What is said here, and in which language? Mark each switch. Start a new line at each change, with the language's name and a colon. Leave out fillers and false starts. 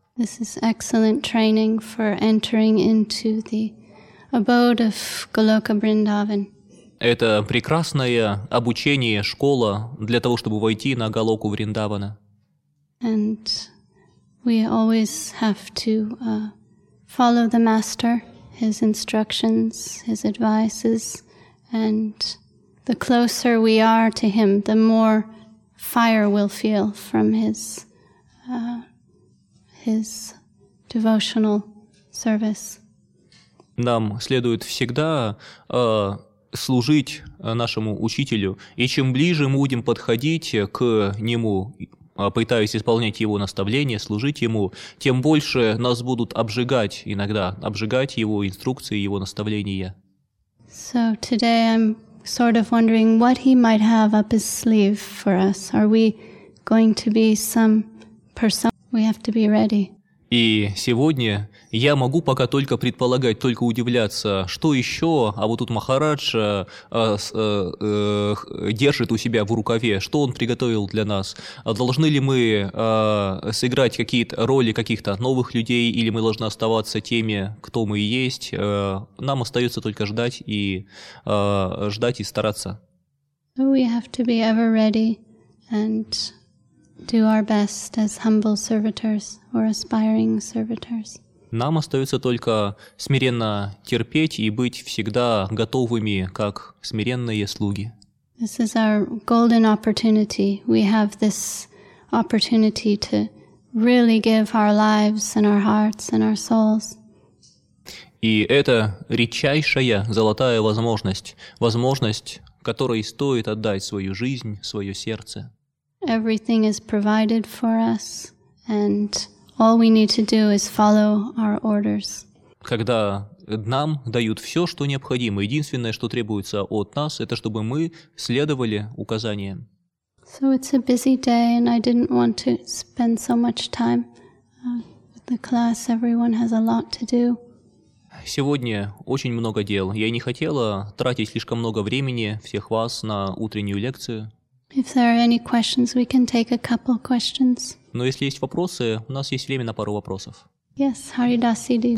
English: This is excellent training for entering into the abode of Goloka Vrindavan.
Russian: Это прекрасное обучение, школа для того, чтобы войти на Голоку Вриндавана.
English: And we always have to follow the master, his instructions, his advices, and the closer we are to him, the more fire we'll feel from his devotional service.
Russian: Нам следует всегда служить нашему учителю, и чем ближе мы будем подходить к нему, пытаясь исполнять его наставления, служить ему, тем больше нас будут обжигать его инструкции, его наставления.
English: So today I'm sort of wondering what he might have up his sleeve for us. Are we going to be some person? We have to be ready.
Russian: И сегодня я могу пока только предполагать, только удивляться, что еще Абутут Махарадж держит у себя в рукаве, что он приготовил для нас. Должны ли мы сыграть какие-то роли каких-то новых людей, или мы должны оставаться теми, кто мы есть? Нам остается только ждать и стараться.
English: We have to be ever ready and do our best as humble servitors or aspiring servitors.
Russian: Нам остается только смиренно терпеть и быть всегда готовыми, как смиренные слуги.
English: This is our golden opportunity. We have this opportunity to really give our lives and our hearts and our souls.
Russian: И это редчайшая золотая возможность, которой стоит отдать свою жизнь, свое сердце.
English: Everything is provided for us, and all we need to do is follow our orders.
Russian: Когда нам дают все, что необходимо, единственное, что требуется от нас, это чтобы мы следовали указаниям.
English: So it's a busy day, and I didn't want to spend so much time with the class. Everyone has a lot to do.
Russian: Сегодня очень много дел. Я не хотела тратить слишком много времени всех вас на утреннюю лекцию.
English: If there are any questions, we can take a couple questions.
Russian: Но если есть вопросы, у нас есть время на пару вопросов.
English: Yes, Haridasi Didi.